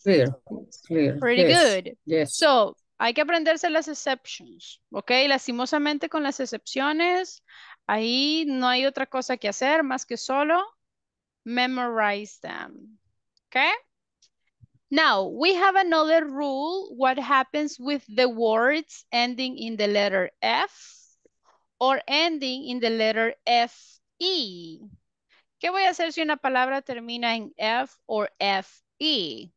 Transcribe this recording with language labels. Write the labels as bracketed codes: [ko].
[en] Clear. Pretty good. Yes. [es] So, hay que aprenderse las exceptions, ¿ok? Lastimosamente con las excepciones, ahí no hay otra cosa que hacer más que solo [en] memorize them. Okay? Now, we have another rule. What happens with the words ending in the letter F or ending in the letter F-E? [es] ¿Qué voy a hacer si una palabra termina en F or F-E?